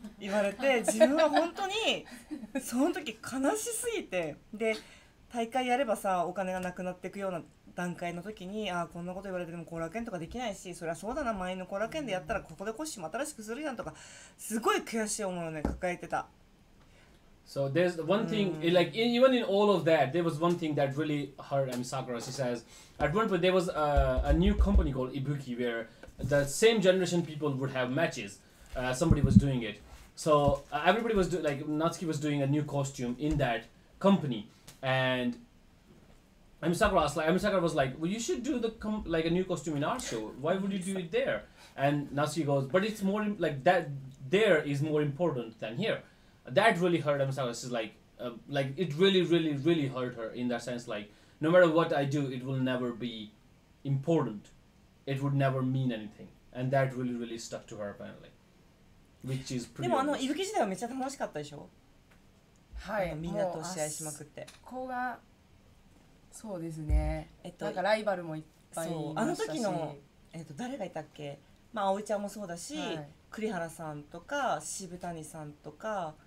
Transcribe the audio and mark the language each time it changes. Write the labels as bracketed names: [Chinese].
[Japanese] 言われて、自分は本当にその時悲しすぎて、で大会やればさ、お金がなくなっていくような段階の時に、ああこんなこと言われてもコラケンとかできないし、そりゃそうだな、前のコラケンでやったらここでコスチューム新しくするやんとか、すごい悔しい思いをね抱えてた。 [English] So there's one thing, like in, even in all of that, there was one thing that really hurt Ami Sakura. She says, at one point there was a new company called Ibuki where the same generation people would have matches. Somebody was doing it. So everybody was doing, like Natsuki was doing a new costume in that company. And Ami Sakura asked, like, Ami Sakura was like, well, you should do the like a new costume in our show. Why would you do it there? And Natsuki goes, but it's more like that there is more important than here. That really hurt Ami Sakura. She's like it really, really, really hurt her in that sense. Like, no matter what I do, it will never be important. It would never mean anything. And that really, really stuck to her apparently. Which is pretty. [Japanese] でもあの伊吹時代はめっちゃ楽しかったでしょ。はい。みんなと試合しまくって。こがそうですね。なんかライバルもいっぱいいましたし。あの時の誰がいたっけ。まあ葵ちゃんもそうだし。はい、栗原さんとか渋谷さんとか